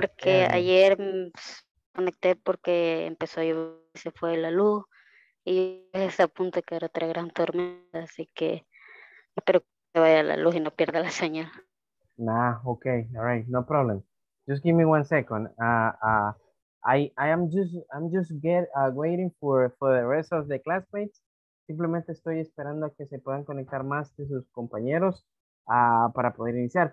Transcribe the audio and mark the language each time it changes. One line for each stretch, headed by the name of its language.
Spanish: Porque ayer conecté porque empezó y se fue la luz. Y es a punto de que era otra gran tormenta. Así que espero que vaya la luz y no pierda la señal.
English: Nah, okay, all right, no problem. Just give me 1 second. I'm just waiting for the rest of the classmates.
Spanish: Simplemente estoy esperando a que se puedan conectar más de sus compañeros para poder iniciar.